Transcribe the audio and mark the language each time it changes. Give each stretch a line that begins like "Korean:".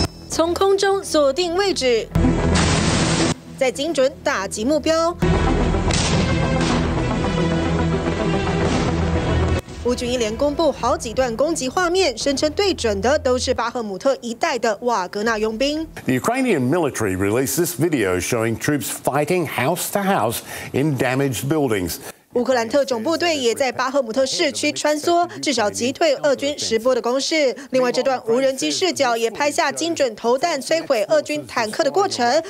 Chinese: 从空中锁定位置，再精准打击目标。乌军一连公布好几段攻击画面，声称对准的都是巴赫姆特一带的瓦格纳佣兵。
English: The Ukrainian military released this video showing troops fighting house to house in damaged buildings.
Chinese: 乌克兰特种部队也在巴赫姆特市区穿梭，至少击退俄军十波的攻势。另外，这段无人机视角也拍下精准投弹摧毁俄军坦克的过程。